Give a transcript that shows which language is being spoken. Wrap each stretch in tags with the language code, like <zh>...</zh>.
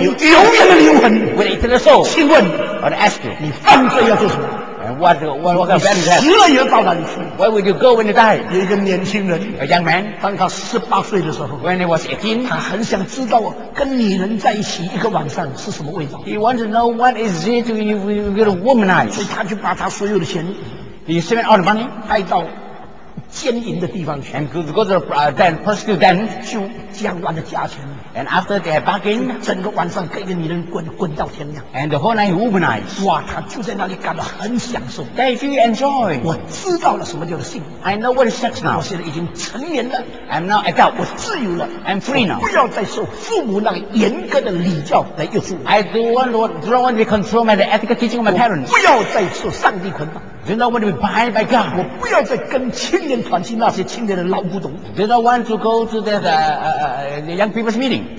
<zh>你永远的灵魂</zh> <en>，With eternal soul.</en> <zh>请问</zh> <en>，I ask you，</en> <zh>你犯罪要做什么</zh> <en>？And Where would you go when you die?</en> <zh>有一个年轻人</zh> <en>，a young man，</en> <zh>当他十八岁的时候</zh> <en>，when he was 18，</en> <zh>他很想知道跟女人在一起一个晚上是什么味道。</zh> <en>He wants to know what is it you get a womanized。</en> <zh>所以他就把他所有的钱</zh> <en>，he spent all the money，</en> <zh>带到奸淫的地方去</zh> <en>，and go to the den， prostitute den，</en> <zh>就将完了价钱。</zh> <en>And after they bargained,</en> <zh>整个晚上跟一个女人滚到天亮。</zh> <en>And the whole night womanized.</en> <zh>哇，他就在那里感到很享受。</zh> <en>They feel enjoy.</en> <zh>我知道了什么叫做性。</zh> <en>I know what is sex now.</en> <zh>我现在已经成年了。</zh> <en>I'm now adult.</en> <zh>我自由了。</zh> <en>I'm free now.</en> <zh>不要再受父母那个严格的礼教来约束。</zh> <en>I don't want to be controlled by the ethical teaching of my parents.</en> <zh>不要再受上帝捆绑。</zh> <en>Do not want to be bound by God.</en> <zh>我不要再跟青年团去那些青年的老古董。</zh> <en>Do not want to go to that young people's meeting.</en>